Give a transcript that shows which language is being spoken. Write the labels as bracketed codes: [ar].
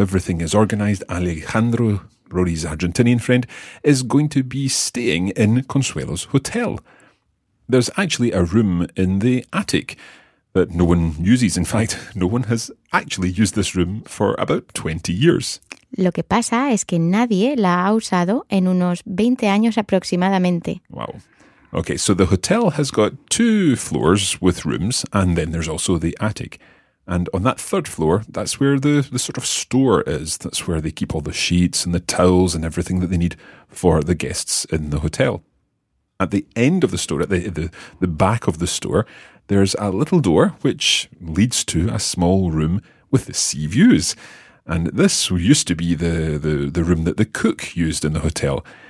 [en] Everything is organized. Alejandro, Rory's Argentinian friend, is going to be staying in Consuelo's hotel. There's actually a room in the attic that no one uses. In fact, no one has actually used this room for about 20 years. [es] Lo que pasa es que nadie la ha usado en unos 20 años aproximadamente. [en] Wow. Okay, so the hotel has got 2 floors with rooms, and then there's also the attic. And on that 3rd floor, that's where the sort of store is. That's where they keep all the sheets and the towels and everything that they need for the guests in the hotel. At the end of the store, at the back of the store, there's a little door which leads to a small room with the sea views. And this used to be the room that the cook used in the hotel.